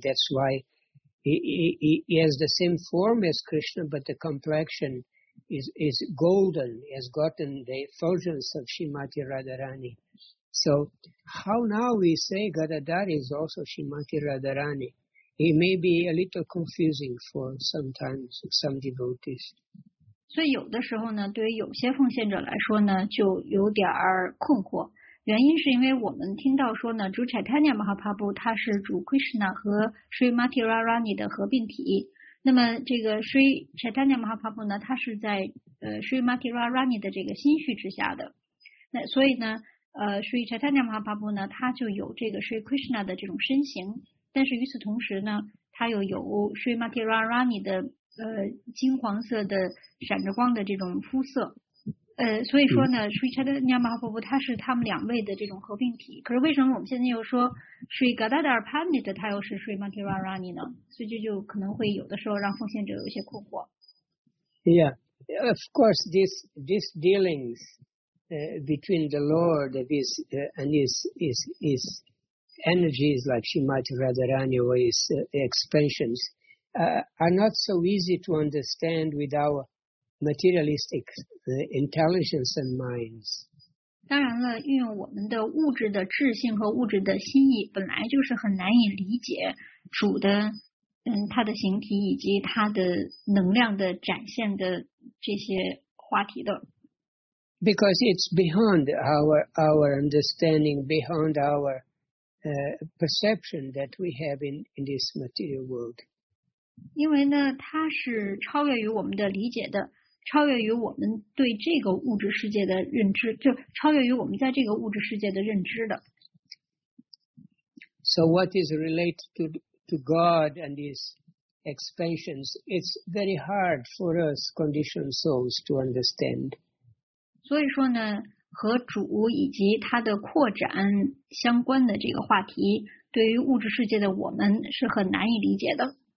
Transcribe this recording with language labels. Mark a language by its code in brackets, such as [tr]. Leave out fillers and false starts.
[en] That's why he has the same form as Krishna, but the complexion is golden, has gotten the effulgence of Srimati Radharani. So how now we say Gadadhar is also Srimati Radharani? It may be a little confusing for sometimes some devotees. [zh] 所以有的时候呢，对于有些奉献者来说呢，就有点儿困惑。原因是因为我们听到说呢，主 Chaitanya Mahaprabhu 他是主 Krishna 和 Srimati Radharani 的合并体。那么这个 Sri Chaitanya Mahaprabhu 呢，他是在Srimati Radharani 的这个心绪之下的。那所以呢，Sri Chaitanya Mahaprabhu 呢，他就有这个 Sri Krishna 的这种身形。但是与此同时呢，他又有 Srimati Radharani 的金黄色的闪着光的这种肤色。所以说呢 ,Sri Chaitanya Mahaprabhu 他是他们两位的这种合并体。可是为什么我们现在又说 Sri Gadadhar Pandit 他又是 Srimati Radharani 呢？所以这就可能会有的时候让奉献者有一些困惑。 [en] Yeah, of course, this dealings, between the Lord and his energies like Srimati Radharani or his expansions, are not so easy to understand with our materialistic intelligence and minds. [zh] 当然了，运用我们的物质的智性和物质的心意，本来就是很难以理解主的他的形体以及他的能量的展现的这些话题的。 [en] Because it's beyond our understanding, beyond our perception that we have in this material world. [zh] 因为呢，它是超越于我们的理解的，超越于我们对这个物质世界的认知，就超越于我们在这个物质世界的认知的。 [en] So what is related to God and His expansions? It's very hard for us conditioned souls to understand. [zh] 所以说呢，和主以及他的扩展相关的这个话题，对于物质世界的我们是很难以理解的。